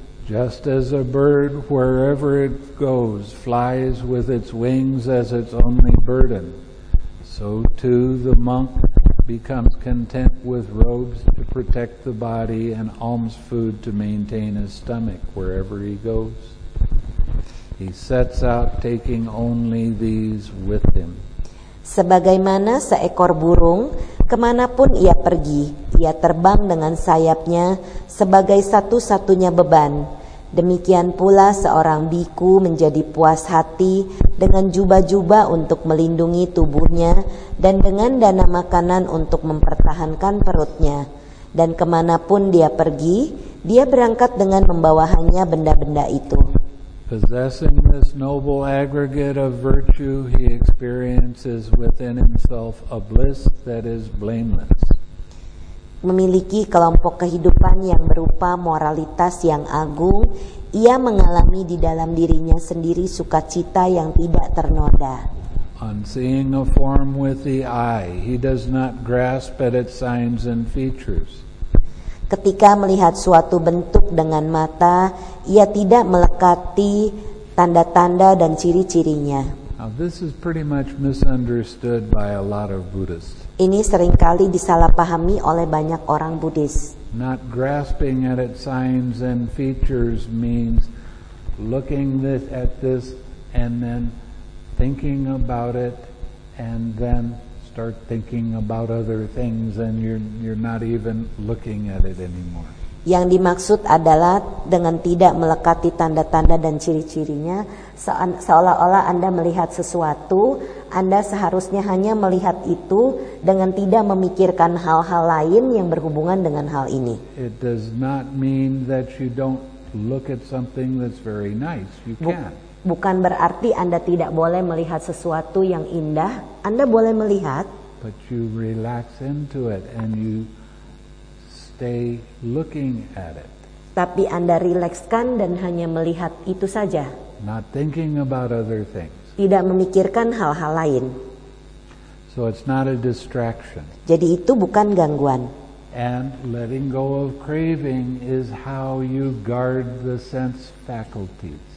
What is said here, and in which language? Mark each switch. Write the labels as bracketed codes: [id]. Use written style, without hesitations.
[en] Just as a bird, wherever it goes, flies with its wings as its only burden, so too the monk becomes content with robes to protect the body and alms food to maintain his stomach wherever he goes. He sets out taking only these with him. [id] Sebagaimana seekor burung, kemanapun ia pergi, ia terbang dengan sayapnya sebagai satu-satunya beban. Demikian pula seorang biku menjadi puas hati dengan jubah-jubah untuk melindungi tubuhnya dan dengan dana makanan untuk mempertahankan perutnya. Dan kemanapun dia pergi, dia berangkat dengan membawahannya benda-benda itu. [en] Possessing this noble aggregate of virtue, he experiences within himself a bliss that is blameless. [id] Memiliki kelompok kehidupan yang berupa moralitas yang agung, ia mengalami di dalam dirinya sendiri sukacita yang tidak ternoda. [en] On seeing a form with the eye, he does not grasp at its signs and features. [id] Ketika melihat suatu bentuk dengan mata, ia tidak melekati tanda-tanda dan ciri-cirinya. [en] Now this is pretty much misunderstood by a lot of Buddhists. [id] Ini seringkali disalahpahami oleh banyak orang Buddhis. [en] Not grasping at its signs and features means looking this at this and then thinking about it and then start thinking about other things and you're not even looking at it anymore. [id] Yang dimaksud adalah dengan tidak melekati tanda-tanda dan ciri-cirinya, seolah-olah Anda melihat sesuatu, Anda seharusnya hanya melihat itu dengan tidak memikirkan hal-hal lain yang berhubungan dengan hal ini. [en] It does not mean that you don't look at something that's very nice. You can. [id] Bukan berarti Anda tidak boleh melihat sesuatu yang indah. Anda boleh melihat. [en] But you relax into it and you stay looking at it. [id] Tapi Anda rilekskan dan hanya melihat itu saja. [en] Not thinking about other things. [id] Tidak memikirkan hal-hal lain. [en] So it's not a distraction. [id] Jadi itu bukan gangguan. [en] And letting go of craving is how you guard the sense faculties.